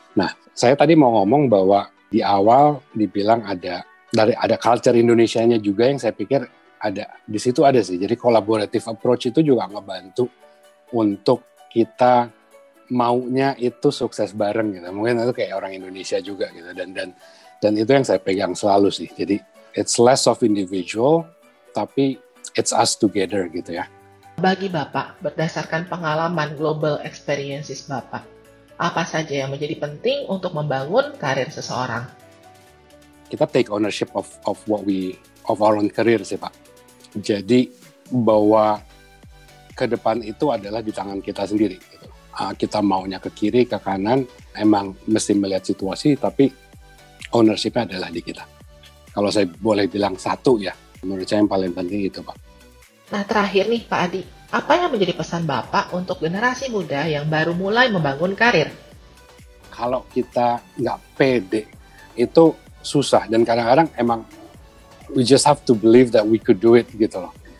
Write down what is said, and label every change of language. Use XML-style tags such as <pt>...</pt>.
<id>Nah, saya tadi mau ngomong bahwa di awal dibilang ada culture Indonesianya juga yang saya pikir ada. Di situ ada sih, jadi</id> <en>collaborative approach</en> <id>itu juga ngebantu untuk kita maunya itu sukses bareng gitu. Mungkin itu kayak orang Indonesia juga gitu, dan itu yang saya pegang selalu sih.</id> <en>Jadi it's less of individual, tapi it's us together</en> <id>gitu ya. Bagi Bapak, berdasarkan pengalaman</id> <en>global experiences</en> <id>Bapak, apa saja yang menjadi penting untuk membangun karir seseorang?</id> <en>Kita take ownership of our own career</en> <id>sih Pak. Jadi bahwa ke depan itu adalah di tangan kita sendiri. Gitu. Kita maunya ke kiri, ke kanan, emang mesti melihat situasi, tapi ownership-nya adalah di kita. Kalau saya boleh bilang satu ya, menurut saya yang paling penting itu Pak. Nah terakhir nih Pak Adi, apa yang menjadi pesan Bapak untuk generasi muda yang baru mulai membangun karir? Kalau kita nggak pede, itu susah. Dan kadang-kadang emang</id> <en>we just have to believe that we could do it</en> <id>gitu loh.</id>